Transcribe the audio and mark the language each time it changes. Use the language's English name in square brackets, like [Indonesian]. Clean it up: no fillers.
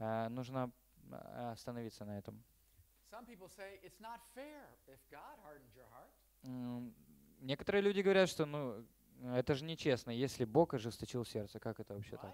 [Russian] Нужно остановиться на этом. [English] Some people say it's not fair if God hardened your heart. [Russian] Некоторые люди говорят, что это же нечестно, если Бог ожесточил сердце, как это вообще так?